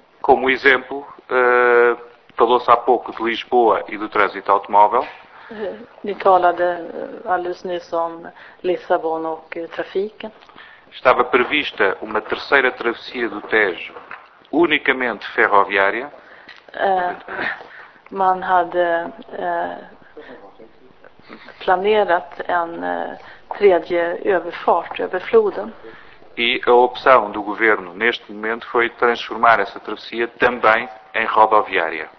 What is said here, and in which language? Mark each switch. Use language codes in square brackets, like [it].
[pt] Como exemplo, falou-se há pouco de Lisboa e do trânsito automóvel. [sv] Ni talade alldeles nyss om Lissabon och trafiken. [pt] Estava prevista uma terceira travessia do Tejo unicamente ferroviária. [sv] Man hade planerat en tredje överfart över floden. [pt] E a opção do governo neste momento foi transformar essa travessia também em rodoviária.